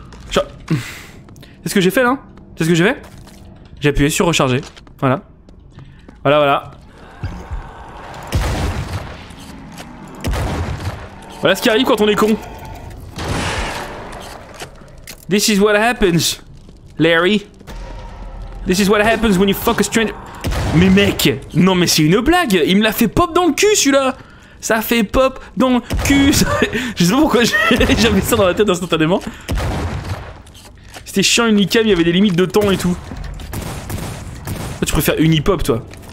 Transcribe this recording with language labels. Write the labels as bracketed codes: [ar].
[fr] Qu'est-ce que j'ai fait là? Qu'est-ce que j'ai fait? J'ai appuyé sur recharger. Voilà. Voilà. Voilà ce qui arrive quand on est con. [en] This is what happens, Larry. This is what happens when you fuck a stranger. [fr] Mais mec, non mais c'est une blague. Il me l'a fait pop dans le cul celui-là. Ça fait pop dans le cul ça... Je sais pas pourquoi j'avais ça dans la tête instantanément. C'était chiant Unicam, il y avait des limites de temps et tout. Toi, tu préfères Unipop toi.